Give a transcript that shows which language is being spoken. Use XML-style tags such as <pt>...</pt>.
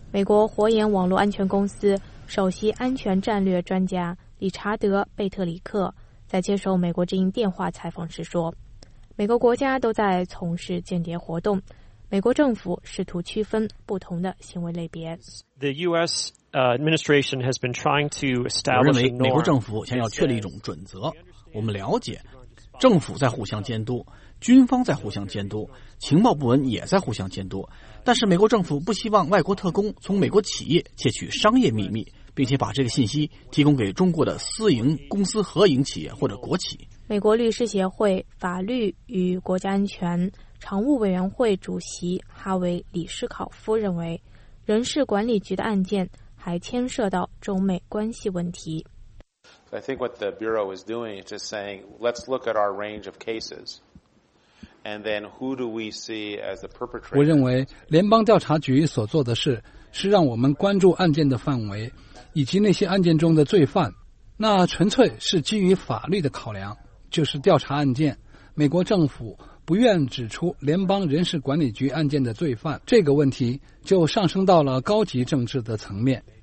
<zh>美国火眼网络安全公司首席安全战略专家理查德·贝特里克在接受美国之音电话采访时说，美国国家都在从事间谍活动，美国政府试图区分不同的行为类别。</zh> <en>The U.S. administration has been trying to establish a norm.</en> <zh>我认为美国政府想要确立一种准则。我们了解，政府在互相监督，军方在互相监督，情报部门也在互相监督。但是美国政府不希望外国特工从美国企业窃取商业秘密，并且把这个信息提供给中国的私营公司、合营企业或者国企。美国律师协会法律与国家安全常务委员会主席哈维·李斯考夫认为，人事管理局的案件还牵涉到中美关系问题。</zh> <en>I think what the Bureau is doing is just saying, let's look at our range of cases, and then who do we see as the perpetrator?</en> <zh>我认为联邦调查局所做的事是让我们关注案件的范围，以及那些案件中的罪犯。那纯粹是基于法律的考量，就是调查案件。美国政府不愿指出联邦人事管理局案件的罪犯，这个问题就上升到了高级政治的层面。</zh>